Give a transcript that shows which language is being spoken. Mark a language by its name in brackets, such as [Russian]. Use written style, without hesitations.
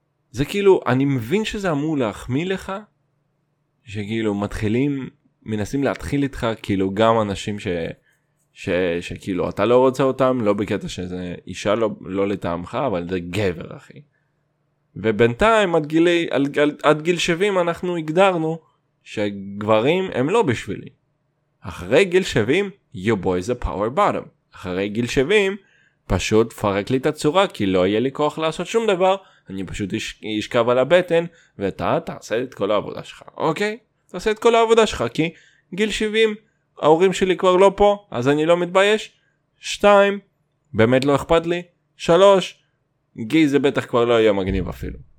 [Hebrew] זה כאילו, אני מבין שזה אמור להחמיא לך, שכאילו מתחילים, מנסים להתחיל איתך, כאילו גם אנשים ש, ש, שכאילו אתה לא רוצה אותם, לא בקטע שזה אישה לא, לא לטעמך, אבל זה גבר אחי. ובינתיים עד גילי, עד גיל 70 אנחנו הגדרנו שגברים הם לא בשבילי. אחרי גיל 70, [English] you boy is a power bottom. [Hebrew] אחרי גיל 70, פשוט פרק לי את הצורה, כי לא יהיה לי כוח לעשות שום דבר, אני פשוט ישכב על הבטן, ואתה תעשה את כל העבודה שלך, אוקיי? תעשה את כל העבודה שלך, כי גיל 70, ההורים שלי כבר לא פה, אז אני לא מתבייש. 2, באמת לא אכפת לי. 3, גי זה בטח כבר לא יהיה מגניב אפילו.